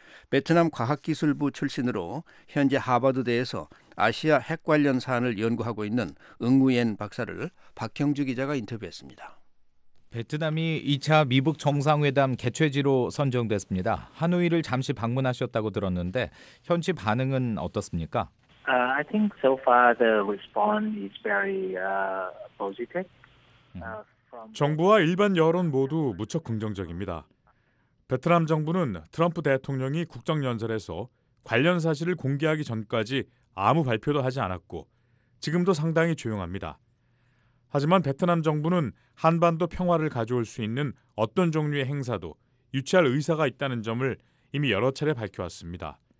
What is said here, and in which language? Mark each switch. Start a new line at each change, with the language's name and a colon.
Korean: 베트남 과학기술부 출신으로 현재 하버드대에서 아시아 핵 관련 사안을 연구하고 있는 응우옌 박사를 박형주 기자가 인터뷰했습니다. 베트남이 2차 미북 정상회담 개최지로 선정됐습니다. 하노이를 잠시 방문하셨다고 들었는데 현지 반응은 어떻습니까?
English: I think so far the response is very positive.
Korean: 정부와 일반 여론 모두 무척 긍정적입니다. 베트남 정부는 트럼프 대통령이 국정연설에서 관련 사실을 공개하기 전까지 아무 발표도 하지 않았고 지금도 상당히 조용합니다. 하지만 베트남 정부는 한반도 평화를 가져올 수 있는 어떤 종류의 행사도 유치할 의사가 있다는 점을 이미 여러 차례 밝혀왔습니다.